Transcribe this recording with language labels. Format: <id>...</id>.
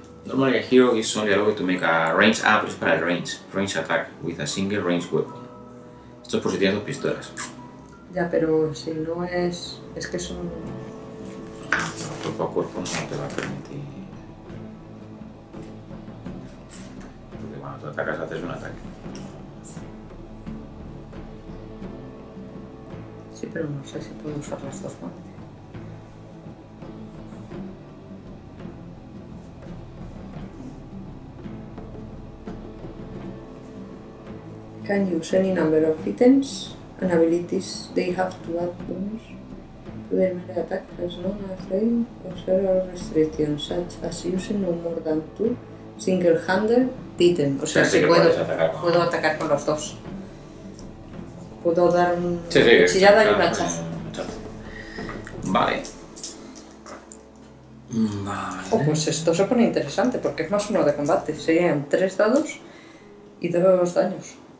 <en>Normally a hero is only allowed to make a range up,</en> <es>es para el</es> <en>range attack with a single range weapon.</en> <es>Esto es por si tienes dos pistolas. Ya, pero si no es. Es que son. Cuerpo a cuerpo no te va a permitir. Porque cuando tú atacas, haces un ataque. Sí, pero no sé si puedo usar las dos, ¿no?</es> <en>Can you use any number of items and abilities they have to add bonus to their melee attack as long as they observe all restrictions, such as using no more than two single-handed items.</en> <es>O sea, sí, si que puedo, atacar, puedo atacar con los dos. Puedo dar un cuchillada y un hachazo. Vale. Vale. Oh, pues esto se pone interesante porque es más uno de combate. Serían tres dados y dos daños.</es>